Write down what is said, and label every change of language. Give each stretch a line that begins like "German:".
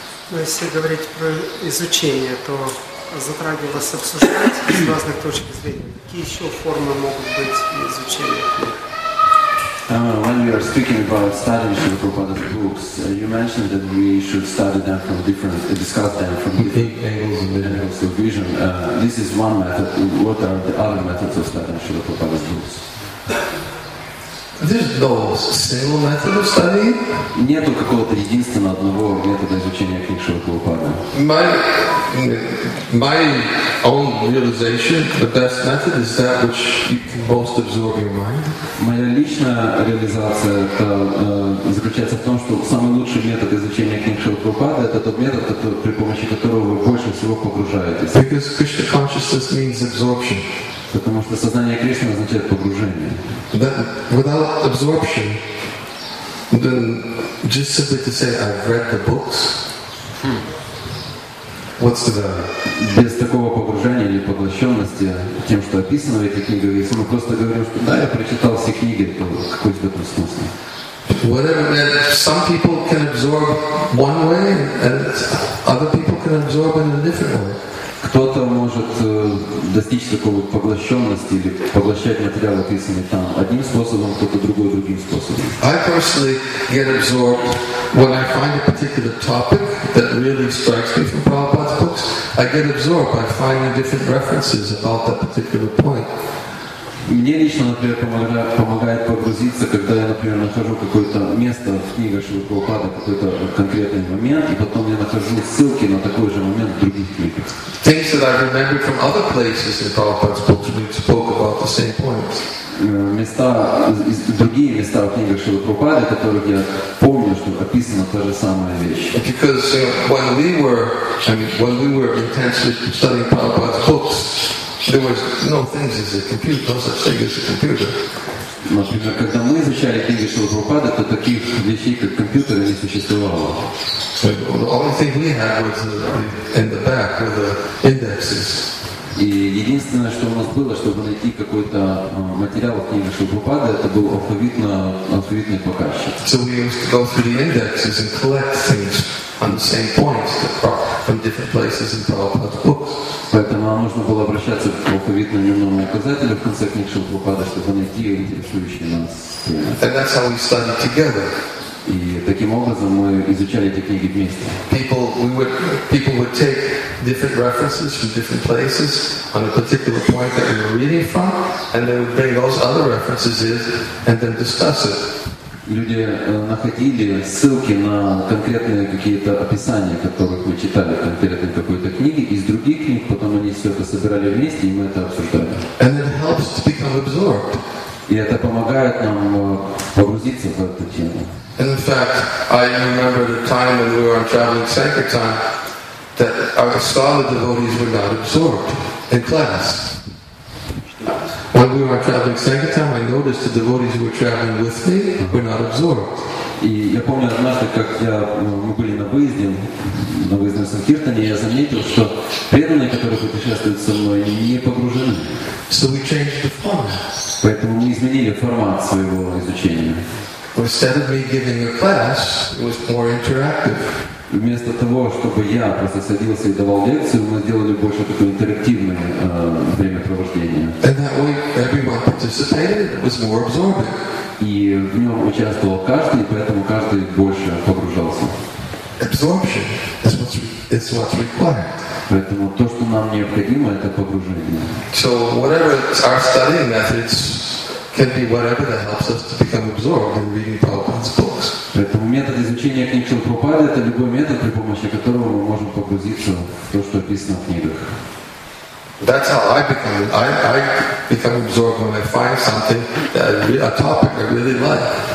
Russian: Ну, если говорить про изучение, то затрагивалось обсуждать с разных точек зрения. Какие еще формы могут быть изучения книг?
English: When we are speaking about studying Srila Prabhupada's books, you mentioned that we should study them from different, discuss them from different angles and angles of vision. This is one method. What are the other methods of studying Srila Prabhupada's books? There's no single method of studying.
Russian: Нету какого-то единственного одного метода изучения книг Шрилы Прабхупады.
English: My own realization, the best method is that which you can most absorb your mind.
Russian: Моя личная реализация заключается в том, что самый лучший метод изучения книг Шрилы Прабхупады это тот метод, при помощи которого вы больше всего погружаетесь.
English: Because Krishna consciousness means absorption.
Russian: Потому что сознание Кришны означает погружение.
English: Without absorption, then just simply to say I've read the books. What's the value?
Russian: Без такого погружения или поглощенности тем, что описано в этих книгах, если мы просто говорим, что да, я прочитал все книги, то какой в этом смысл?
English: Whatever that some people can absorb one way, and other people can absorb in a different way.
Russian: Кто-то может достичь такого поглощенности или поглощать материалы, описанные там, одним способом, кто-то другой, другим способом.
English: I personally get absorbed when I find a particular topic that really strikes me from Prabhupada's books. I get absorbed by finding different references about that particular point.
Russian: Мне лично, например, помогает погрузиться, когда я, например, нахожу какое-то место в книгах Шрилы Прабхупады, какой-то конкретный момент, и потом я нахожу ссылки на такой же момент в других книгах.
English: Things that I remember from other places in Prabhupada's books, we spoke about the same points.
Russian: Места, другие места в книгах Шрилы Прабхупады, которых я помню, что описана та же самая вещь.
English: Because you know, when we were intensely studying Prabhupada's books, there was no things as a computer, no such thing as a computer.
Russian: Например, когда мы изучали книги Шрилы Прабхупады, то таких вещей, как компьютеры, не существовало.
English: The only thing we had was in the back were the indexes.
Russian: И единственное, что у нас было, чтобы найти какой-то материал в книге Шрилы Прабхупады, это был алфавитный показчик.
English: So we used to go through the indexes and collect things on the same points from different places in Prabhupada's books.
Russian: Поэтому нам нужно было обращаться к алфавитному дневному указателю в конце книг Шрилы Прабхупады, чтобы найти интересующие нас темы.
English: And that's how we studied together.
Russian: И таким образом мы изучали эти книги вместе.
English: People would take different references from different places on a particular point that we were reading from, and they would bring those other references in and then discuss it.
Russian: Люди находили ссылки на конкретные какие-то описания, которых мы читали в конкретной какой-то книге, из других книг, потом они все это собирали вместе, и мы это обсуждали.
English: And it helps to become absorbed.
Russian: И это помогает нам погрузиться в эту тему.
English: In fact, I remember the time when we were on traveling Sankirtan that our scholar devotees were not absorbed in class. When we were traveling Sankirtan, I noticed the devotees who were traveling with me were not absorbed.
Russian: И я помню однажды, как мы были на выезде в Санкиртане, я заметил, что преданные, которые путешествуют со мной, не погружены.
English: So we changed the format.
Russian: Поэтому мы изменили формат своего изучения.
English: Instead of me giving a class, it was more interactive.
Russian: Вместо того, чтобы я просто садился и давал лекцию, мы сделали больше такое интерактивное времяпровождение.
English: And that way, everyone participated. It was more absorbing.
Russian: И в нем участвовал каждый, и поэтому каждый больше погружался.
English: Absorption is what's required.
Russian: Поэтому то, что нам необходимо, это погружение.
English: So whatever our study methods can be whatever that helps us to become absorbed in reading Prabhupada's books.
Russian: Поэтому метод изучения книг Шрилы Прабхупады — это любой метод, при помощи которого мы можем погрузиться в то, что описано в книгах.
English: That's how I become absorbed when I find something, a topic I really like.